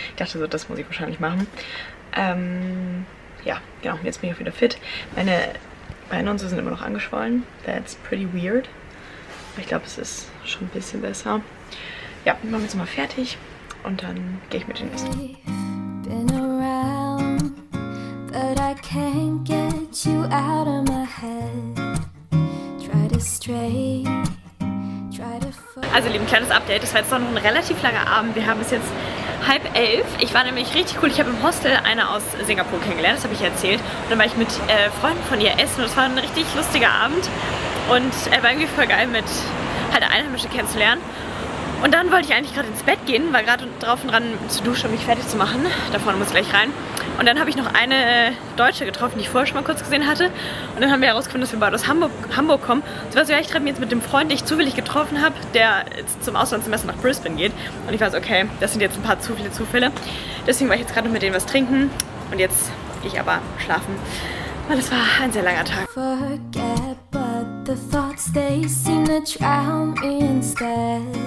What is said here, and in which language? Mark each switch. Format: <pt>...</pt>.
<de>Ich dachte so, das muss ich wahrscheinlich machen. Ja, genau. Jetzt bin ich auch wieder fit. Meine Beine und so sind immer noch angeschwollen.</de> <en>That's pretty weird.</en> <de>Ich glaube, es ist schon ein bisschen besser. Ja, machen wir jetzt mal fertig und dann gehe ich mit den Essen.</de> <en>Been around, but I can't get you out of my head. Try to stray.</en> <de>Also, lieben, kleines Update. Das war jetzt noch ein relativ langer Abend. Wir haben es jetzt 10:30. Ich war nämlich richtig cool. Ich habe im Hostel eine aus Singapur kennengelernt, das habe ich erzählt. Und dann war ich mit Freunden von ihr essen und es war ein richtig lustiger Abend. Und er war irgendwie voll geil, mit halt Einheimische kennenzulernen. Und dann wollte ich eigentlich gerade ins Bett gehen, war gerade drauf und dran zu duschen, um mich fertig zu machen. Da vorne muss ich gleich rein. Und dann habe ich noch eine Deutsche getroffen, die ich vorher schon mal kurz gesehen hatte. Und dann haben wir herausgefunden, dass wir beide aus Hamburg kommen. Und so war es, ja, ich treffe mich jetzt mit dem Freund, den ich zufällig getroffen habe, der jetzt zum Auslandssemester nach Brisbane geht. Und ich war so, okay, das sind jetzt ein paar zu viele Zufälle. Deswegen war ich jetzt gerade noch mit denen was trinken. Und jetzt, möchte ich aber schlafen, weil es war ein sehr langer Tag.</de> <en>Forget, but the thoughts, they seem to drown me instead.</en>